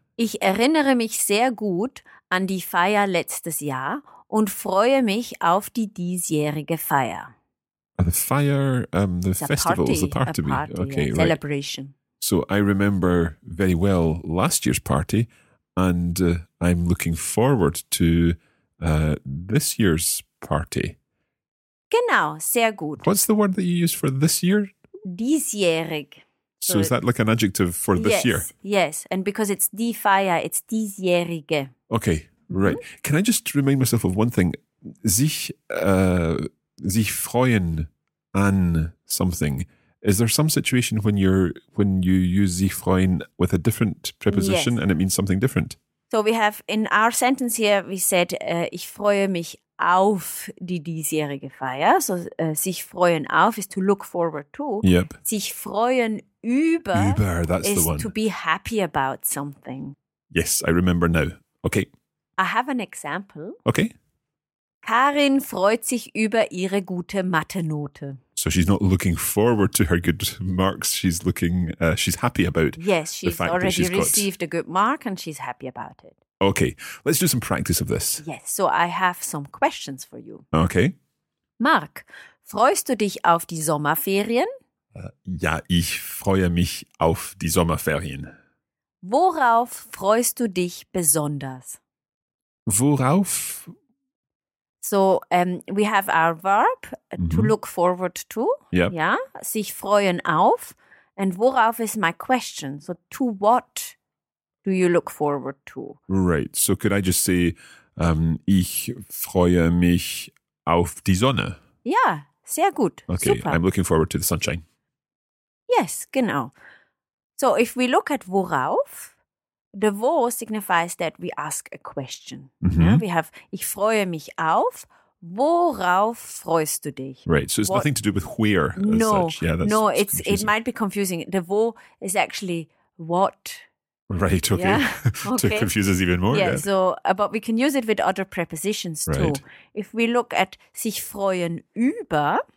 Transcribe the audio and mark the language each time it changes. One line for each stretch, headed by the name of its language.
German: Ich erinnere mich sehr gut an die Feier letztes Jahr und freue mich auf die diesjährige Feier.
English: The fire, the festival, the party. A party, okay, yeah, right. Celebration. So I remember very well last year's party, and I'm looking forward to this year's party.
German: Genau, sehr gut.
English: What's the word that you use for this year?
German: Diesjährig.
English: So is that like an adjective for this year? Yes. And because it's die Feier, it's diesjährige. Okay, right. Mm-hmm. Can I just remind myself of one thing? Sich freuen an something. Is there some situation when you use sich freuen with a different preposition and it means something different? So we have in our sentence here, we said,
German: ich freue mich auf die diesjährige Feier.
English: So sich freuen auf is to look forward to. Yep.
German: Sich freuen über
English: that's is the one. To be happy about something. Yes, I remember now. Okay. I have an example. Okay.
German: Karin freut sich über ihre gute Mathe-Note.
English: So she's not looking forward to her good marks. She's looking, she's happy about Yes, she's already received a good mark and she's happy about it. Okay, let's do some practice of this. Yes, so I have some questions for you. Okay.
German: Mark, freust du dich auf die Sommerferien? Ja, ich freue mich auf die Sommerferien. Worauf freust du dich besonders? Worauf?
English: So, we have our verb, to look forward to. Yep.
German: Ja, sich freuen auf.
English: And worauf is my question. So, to what do you look forward to? Right. So, could I just say,
German: ich freue mich auf die Sonne? Ja, sehr gut.
English: Okay, super. I'm looking forward to the sunshine. Yes, genau. So, if we look at worauf, the wo signifies that we ask a question. Mm-hmm. Yeah, we have,
German: ich freue mich auf, worauf freust du dich?
English: Right, so it's nothing to do with where as no, such. Yeah, that's, no, that's it's confusing. It might be confusing. The wo is actually what. Right, okay. Yeah? To okay. confuse us even more. Yeah, yeah. So, but we can use it with other prepositions right. too. If we look at sich freuen über.